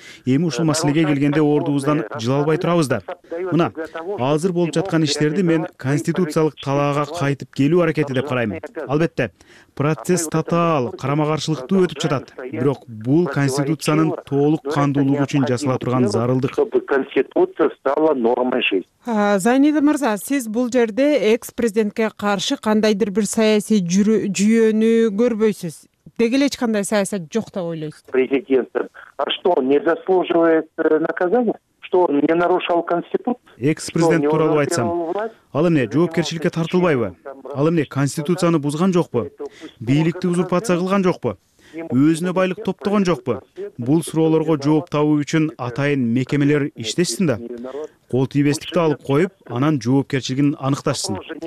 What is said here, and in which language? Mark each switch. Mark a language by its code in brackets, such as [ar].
[ky] Эми ушул маселеге келгенде ордубуздан жылалбай турабыз да. Мына азыр болуп жаткан иштерди мен конституциялык талаага кайтып келүү аракети деп карайм. Албетте, процесс татаал, карама-каршылыктуу өтүп жатат. Бирок бул конституциянын толук кандуулугу үчүн жасала турган зарылдык. [ru] Конституция стала нормой жизни. [ky] Зайнида мырза, сиз бул жерде экс-президентке каршы кандайдыр бир саясий жүйөнү көрбөйсүз? Деги эле эч кандай саясат жок деп ойлойсуз? [ru] Президент, а что, не заслуживает наказания? Что он не нарушал конституцию? [ky] Экс-президент тууралуу айтсам, ал эмне жоопкерчиликке тартылбайбы? Ал эмне конституцияны бузган жокпу? Бийликти узурпация кылган жокпу? Өзүнө байлык топтогон жокпу? Бул суроолорго жооп табуу үчүн атайын мекемелер иштешсин да, кол тийбестикти алып коюп, анан жоопкерчилигин аныкташсын.